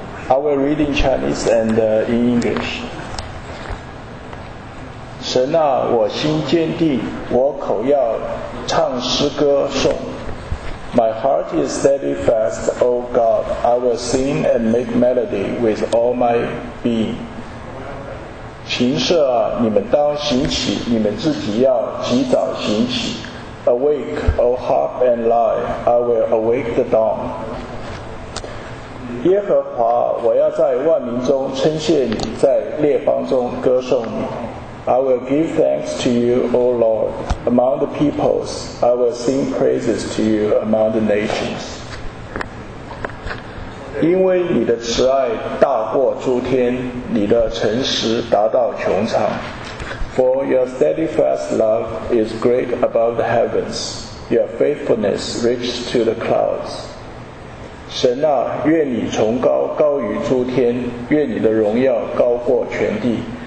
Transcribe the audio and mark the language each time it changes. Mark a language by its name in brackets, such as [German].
[English] I will read in Chinese and in English. [Chinese] 神啊，我心坚定，我口要唱诗歌颂。 [English] My heart is steadfast, O God. I will sing and make melody with all my being. [Chinese] 琴瑟啊，你们当行起，你们自己要及早行起。 [English] Awake, O harp and lyre, I will awake the dawn. [Chinese] 耶和华，我要在万民中称谢你，在列邦中歌颂你。 [English] I will give thanks to you, O Lord, among the peoples. I will sing praises to you among the nations. [Chinese] 因为你的慈爱大过诸天，你的诚实达到穹苍。 [English] For your steadfast love is great above the heavens, your faithfulness reaches to the clouds. [Chinese] 神啊，愿你崇高高于诸天，愿你的荣耀高过全地。